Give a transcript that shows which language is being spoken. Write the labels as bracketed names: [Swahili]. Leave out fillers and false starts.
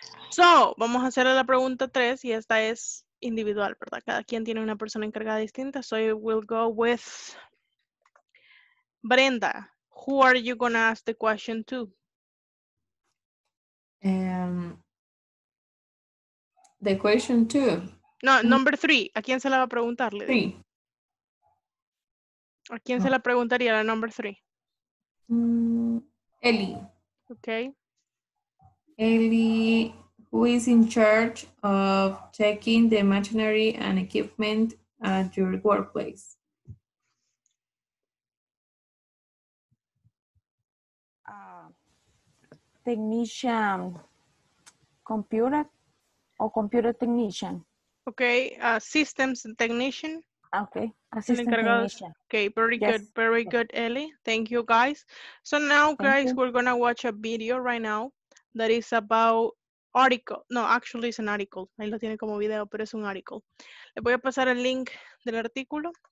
[Spanish] So, vamos a hacer la pregunta 3 y esta es individual, ¿verdad? Cada quien tiene una persona encargada distinta. [English] So, I will go with Brenda, who are you going to ask the question to? The question to? [Spanish] No, number 3. ¿A quién se la va a preguntar? [English] Three. [Spanish] ¿A quién se la preguntaría la number 3? [English] Ellie. Okay. Ellie, who is in charge of checking the machinery and equipment at your workplace? Technician computer or computer technician. Okay, systems technician. Okay, assistant technician. Okay, very good, very good, Ellie. Thank you, guys. So now, guys, we're going to watch a video right now that is about article. No, actually, it's an article. [Spanish] Ahí lo tiene como video, pero es un article. Le voy a pasar el link del artículo.